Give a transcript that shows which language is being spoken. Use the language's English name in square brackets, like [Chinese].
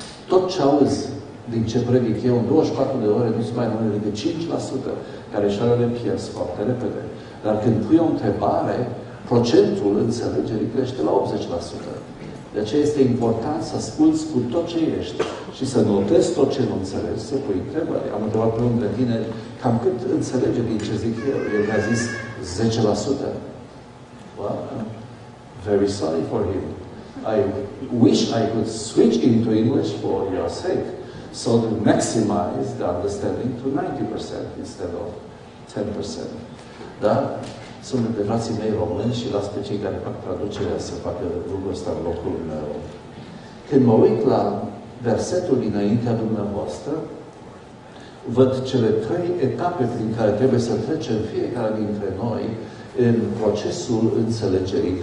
[Romanian] Tot ce auzi din ce predic eu, în 24 de ore, nu sunt mai mult decât 5%, care și le pierzi foarte repede. Dar când pui o întrebare, procentul înțelegerii crește la 80%. De aceea este important să asculți cu tot ce ești și să notezi tot ce nu înțelegi, să pui întrebări. Am întrebat pe unul de tine, cam cât înțelege din ce zic eu? El mi-a zis 10%. [English] Well, very sorry for him. I wish I could switch into English for your sake, so to maximize the understanding to 90% instead of 10%. [Romanian] Da? Sunt de frații mei români și las pe cei care fac traducerea să facă lucrul ăsta în locul meu. Când mă uit la versetul dinaintea dumneavoastră, văd cele trei etape prin care trebuie să trecem fiecare dintre noi în procesul înțelegerii.